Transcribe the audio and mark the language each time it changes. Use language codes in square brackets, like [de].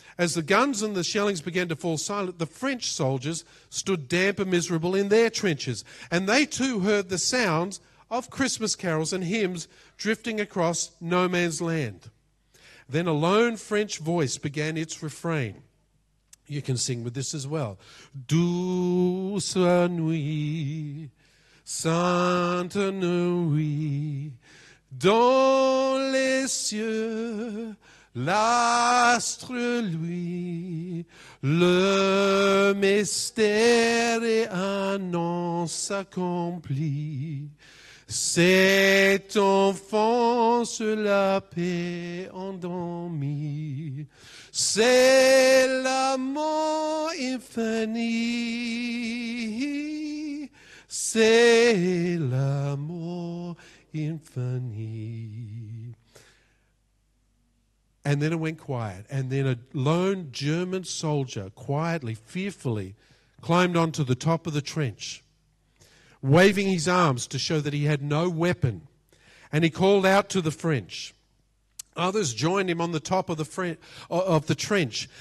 [en] As the guns and the shellings began to fall silent, the French soldiers stood damp and miserable in their trenches, and they too heard the sounds of Christmas carols and hymns drifting across no man's land. Then a lone French voice began its refrain. You can sing with this as well. [fr] Douce nuit, sainte nuit, dans les cieux, l'astre lui, le mystère et annonce accomplie. Cet enfant sur la paix endormi, c'est l'amour infini, c'est l'amour infini. [en] And then it went quiet, and then a lone German soldier quietly, fearfully, climbed onto the top of the trench, waving his arms to show that he had no weapon. And he called out to the French. Others joined him on the top of the trench.